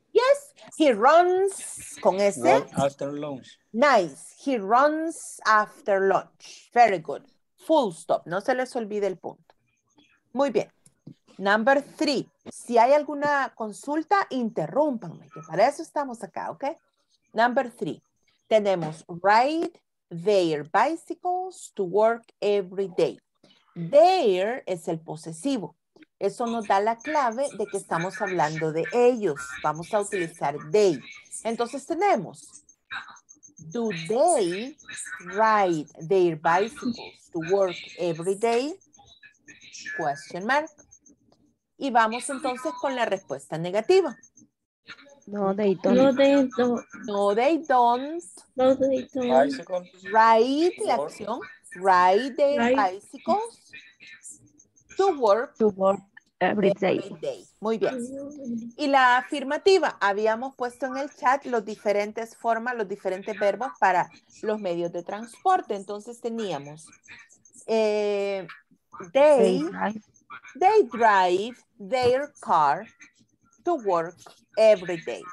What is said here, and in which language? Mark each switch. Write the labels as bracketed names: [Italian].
[English] Yes, he runs [Spanish] con ese. [English] Run after lunch. Nice, he runs after lunch. Very good. Full stop, [Spanish] no se les olvide el punto. Muy bien. [English] Number three, [Spanish] si hay alguna consulta, interrúmpanme, que para eso estamos acá, ¿ok? [English] Number three, [Spanish] tenemos [English] ride their bicycles to work every day. [Spanish] Their es el posesivo. Eso nos da la clave de que estamos hablando de ellos. Vamos a utilizar they. Entonces tenemos, [English] do they ride their bicycles to work every day? Question mark. [Spanish] Y vamos entonces con la respuesta negativa. [English] No, they don't. No, they don't. No, they don't. ride [Spanish] la acción. [English] Ride the bicycle to work every day. [Spanish] Muy bien. Y la afirmativa, habíamos puesto en el chat los diferentes formas, los diferentes verbos para los medios de transporte. Entonces teníamos [English] they drive their car to work every day.